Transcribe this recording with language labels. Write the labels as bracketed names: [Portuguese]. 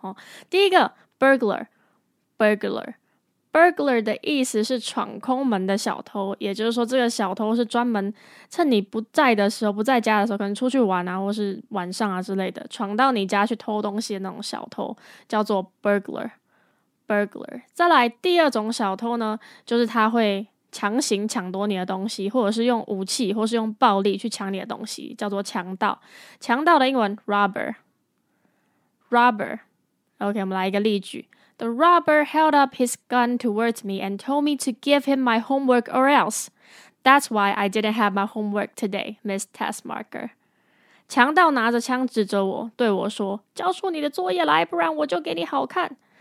[Chinese] 哦，第一个 burglar, burglar, burglar 的意思是闯空门的小偷，也就是说这个小偷是专门趁你不在的时候，不在家的时候，可能出去玩啊或是晚上啊之类的，闯到你家去偷东西的那种小偷叫做 burglar, burglar。再来第二种小偷呢，就是他会强行抢夺你的东西，或者是用武器或是用暴力去抢你的东西，叫做强盗。强盗的英文 robber, robber. [English] OK, [Chinese] 我们来一个例句， [English] The robber held up his gun towards me and told me to give him my homework or else. That's why I didn't have my homework today, Miss Testmarker. [Chinese] 强盗拿着枪指着我对我说，交出你的作业来，不然我就给你好看。